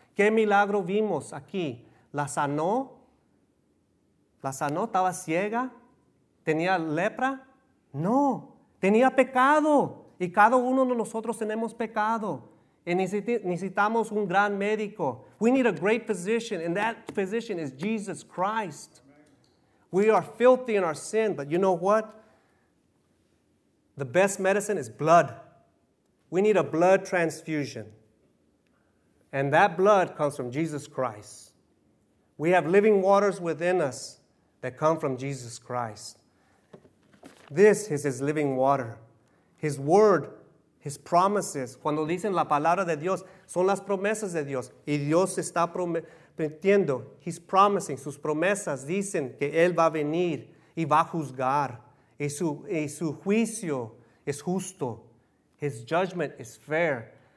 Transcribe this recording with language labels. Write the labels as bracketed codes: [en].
[es] ¿Qué milagro vimos aquí? La sanó. ¿La sanó? ¿Estaba ciega? ¿Tenía lepra? No, tenía pecado. Y cada uno de nosotros tenemos pecado. Y necesitamos un gran médico. [en] We need a great physician, and that physician is Jesus Christ. We are filthy in our sin, but you know what? The best medicine is blood. We need a blood transfusion. And that blood comes from Jesus Christ. We have living waters within us that come from Jesus Christ. This is his living water. His word, his promises. [es] Cuando dicen la palabra de Dios, son las promesas de Dios. Y Dios está prometiendo. [en] He's promising. [es] Sus promesas dicen que Él va a venir y va a juzgar. Y su juicio es justo. [en] His judgment is fair.